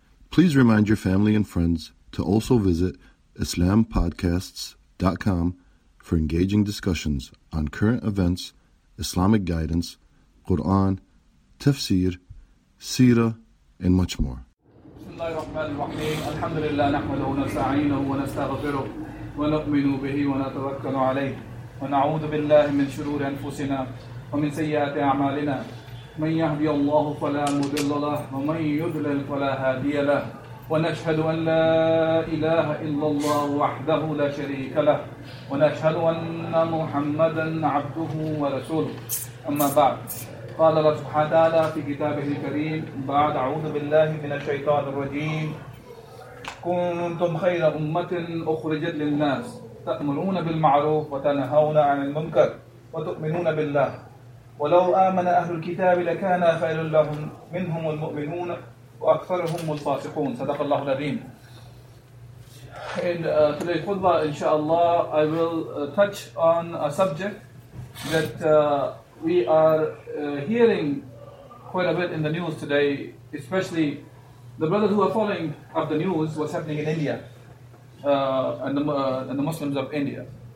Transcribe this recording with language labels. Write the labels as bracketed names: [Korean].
[English] Please remind your family and friends to also visit IslamPodcasts.com for engaging discussions on current events, Islamic guidance, Quran, tafsir, seerah, and much more. [Arabic] الحمد لله نحمده ونستعينه ونستغفره ونؤمن به ونتوكل عليه ونعوذ بالله من شرور أنفسنا ومن سيئات أعمالنا من يهدي الله فلا مضل له ومن يضلل فلا هادي له ونشهد أن لا إله إلا الله وحده لا شريك له ونشهد أن محمدا عبده ورسوله أما بعد قال الله سبحانه وتعالى في كتابه الكريم بعد أعوذ بالله من الشيطان الرجيم كنتم خير أمة أخرجت للناس تأمرون بالمعروف وتنهون عن المنكر وتؤمنون بالله ولو آمن أهل الكتاب لكان خير لهم منهم المؤمنون وأكثرهم الفاسقون صدق الله العظيم. [English] In today's khutbah, inshallah, I will touch on a subject that we are hearing quite a bit in the news today, especially the brothers who are following up the news, what's happening in India and the Muslims of India.